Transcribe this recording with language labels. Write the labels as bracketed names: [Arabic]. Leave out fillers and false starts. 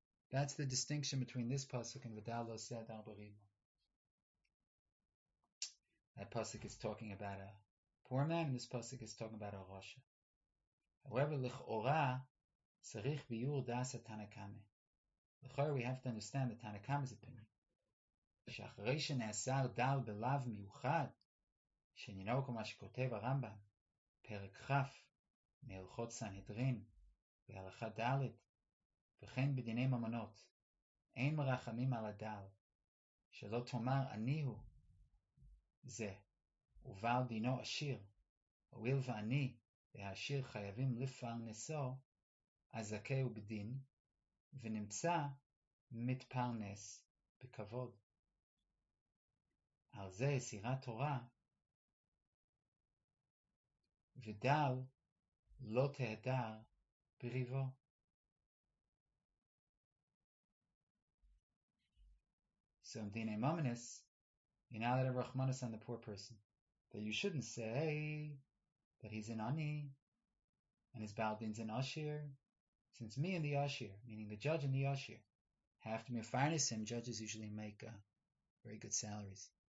[English] That's the distinction between this pasuk and [Hebrew] Vidal Lo Seh Adal Berivoy. [English] That pasuk is talking about a poor man, and this pasuk is talking about a rosha. [Hebrew] However, lichora, sarich biyur das atanakame. [English] Lichora, we have to understand the Tanakame's opinion. [Hebrew] Shachrei she'nasar dal belav miuchad, she'ninau k'ma shekotev Rambam, perek chaf, מהלכות סנהדרין, בהלכה דלת, וכן בדיני ממונות, אין מרחמים על הדל, שלא תאמר אני הוא זה, ובעל דינו עשיר, הואיל ואני והעשיר חייבים לפרנסו, אזכה הוא בדין, ונמצא מתפרנס בכבוד. על זה הסירה תורה, ודל, לא תהדר בריבו. [English] So in Dine Mominus, you're not allowed to rachmanis on the poor person. That you shouldn't say that he's an ani, and his baldin's an ashir. Since me and the ashir, meaning the judge and the ashir, have to mefarnis him, judges usually make very good salaries.